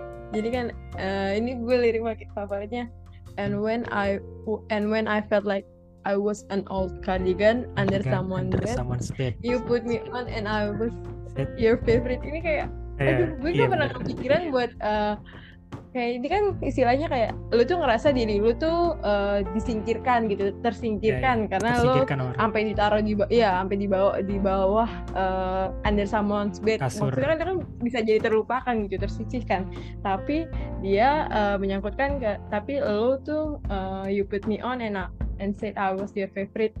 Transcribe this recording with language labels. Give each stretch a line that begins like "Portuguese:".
Indonesian: Jadi kan ini gue lirik favoritnya.
English: And when I felt like I was an old cardigan under someone's bed. You put me on and I was your favorite. Ini kayak, gue gak pernah kepikiran buat
Indonesian: Kayak ini kan istilahnya kayak lu tuh ngerasa diri lu tuh disingkirkan gitu, tersingkirkan ya, karena lu sampai ditaruh di ya sampai dibawa di bawah
English: under someone's bed.
Indonesian: Kasur. Maksudnya kan dia kan bisa jadi terlupakan gitu, tersisihkan. Tapi dia menyangkutkan ke, tapi lu tuh
English: you put me on and said I was your favorite.